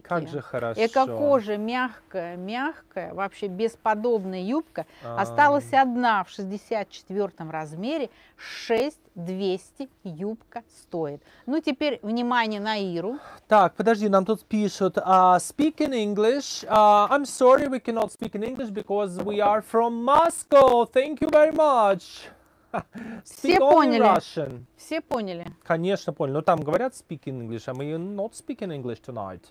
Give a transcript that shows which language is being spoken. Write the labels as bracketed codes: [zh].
[ru] Как же хорошо. Эко-кожа мягкая, мягкая. Вообще бесподобная юбка. А-а-а. Осталась одна в 64-м размере. 6200 юбка стоит. Ну, теперь внимание на Иру. Так, подожди, нам тут пишут. [en] Speak in English. I'm sorry, we cannot speak in English because we are from Moscow. Thank you very much. [ru] Все поняли. Russian. Все поняли. Конечно, поняли. Но там говорят [en] speak English, [ru] а мы [en] not speaking English tonight.